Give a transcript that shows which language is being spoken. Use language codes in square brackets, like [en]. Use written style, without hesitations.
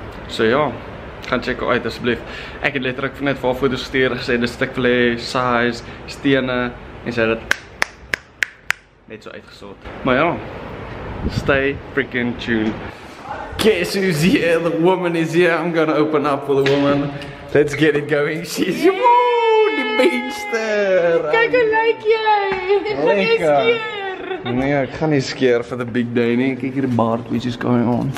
[af] So ja, gaan check uit asseblief. Ek het letterlik net vir haar foto's gestuur gesê dis stuk vlei, size, stene en sy het dit net so uitgesort. Maar ja, [en] stay freaking tuned. Guess who's here? The woman is here. I'm gonna open up for the woman. Let's get it going. She's yeah. Oh, the beanster. [af] Kijk hoe lyk jy. Ek is skeer. Nee, ek gaan nie skeer [en] for the big day [af] nie. Kijk hier die baard, [en] which is going on.